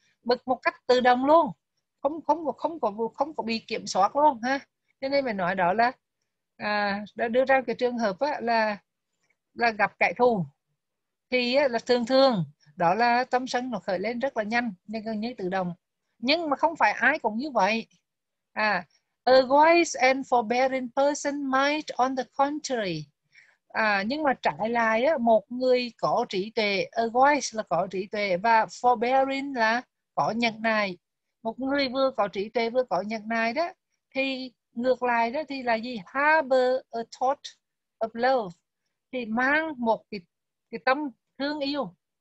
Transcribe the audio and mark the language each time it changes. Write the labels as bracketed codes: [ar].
[vi] Bực một cách tự động luôn. Không có bị kiểm soát luôn ha. Cho nên mình nói đó là đã đưa ra cái trường hợp á, là gặp kẻ thù thì á, là thường thường đó là tâm sân nó khởi lên rất là nhanh, nhưng gần như tự động. Nhưng mà không phải ai cũng như vậy. [en] À, a wise and forbearing person might on the contrary. [vi] À, nhưng mà trái lại á, một người có trí tuệ, a wise là có trí tuệ và forbearing là có nhẫn nại. Một người vừa có trí tuệ vừa có nhẫn nại đó, thì ngược lại đó thì là gì? [en] Harbor a thought of love. [vi] Thì mang một cái tâm thương yêu.